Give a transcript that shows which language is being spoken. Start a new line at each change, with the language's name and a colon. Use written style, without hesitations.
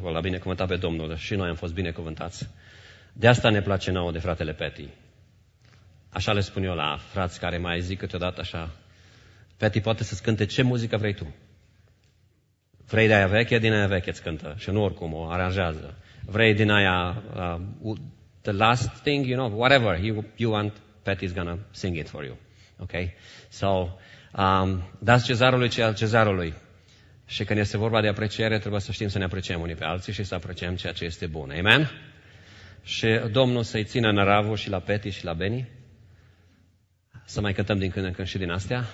Romanian: L-a binecuvântat pe Domnul și noi am fost binecuvântați. De asta ne place nouă de fratele Patty. Așa le spun eu la frați care mai zic câteodată așa: Patty poate să-ți cânte ce muzică vrei tu. Vrei de aia veche, din aia veche îți cântă. Și nu oricum, o aranjează. Vrei din aia...
English: the last thing, you know, whatever you want, Patty's gonna sing it for you. Ok?
Romanian: So, dați cezarului ce al cezarului. Și când este vorba de apreciere, trebuie să știm să ne apreciem unii pe alții și să apreciem ceea ce este bun. Amen? Și Domnul să-i țină în ravul și la Patty și la Benny. Să mai cântăm din când în când și din astea.